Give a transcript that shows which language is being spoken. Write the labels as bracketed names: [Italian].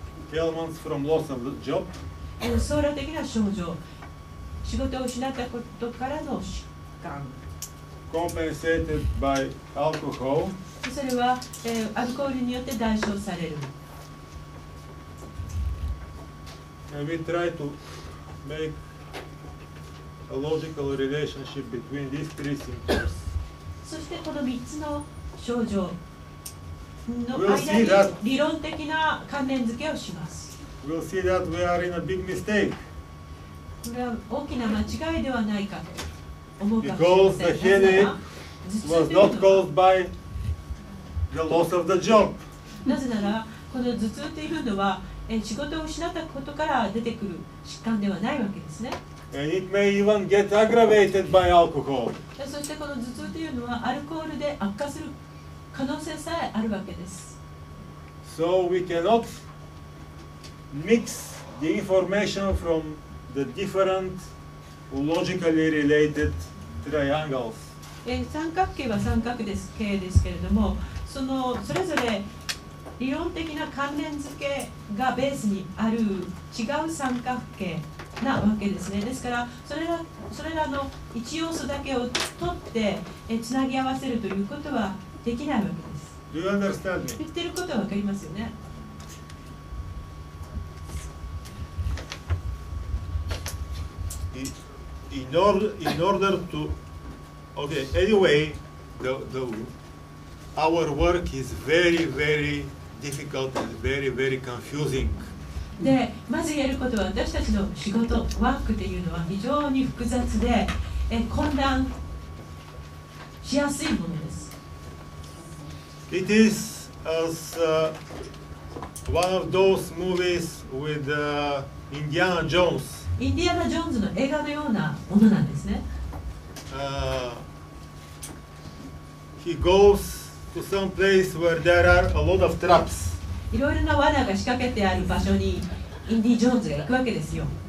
[English] ailments from loss of the job, [Japanese] 相談的な症状、仕事を失ったことからの疾患、 [English] compensated by alcohol, [Japanese] それは、アルコールによって代償される。 [English] And we try to make a logical relationship between these three symptoms. [Japanese] そしてこの3つの症状の間に理論的な関連付けをします。 [English] We'll see that we are in a big mistake. [Japanese] これは大きな間違いではないかと思うかもしれません。 [English] Because the headache was not caused by the loss of the job. [Japanese] なぜならこの頭痛というのは仕事を失ったことから出てくる疾患ではないわけですね。 [English] And it may even get aggravated by alcohol. [Japanese] そしてこの頭痛というのはアルコールで悪化する可能性さえあるわけです。 [English] So we cannot mix the information from the different logically related triangles. [Japanese] 三角形は三角です、形ですけれども、そのそれぞれ理論的な関連付けがベースにある違う三角形なわけですね。ですからそれらの一要素だけを取ってつなぎ合わせるということはできないわけです。 [English] Do you understand me? [Japanese] 言ってることは分かりますよね。 [English] In order to okay anyway the our work is very very difficult and very very confusing. [Japanese] で、まず言えることは私たちの仕事ワークというのは非常に複雑で混乱しやすいものです。 [English] It is as one of those movies with Indiana Jones. [Japanese] インディアナ・ジョーンズの映画のようなものなんですね。 [English] He goes. To some place where there are a lot of traps. [Japanese] いろいろな罠が仕掛けてある場所にインディ・ジョーンズが行くわけですよ。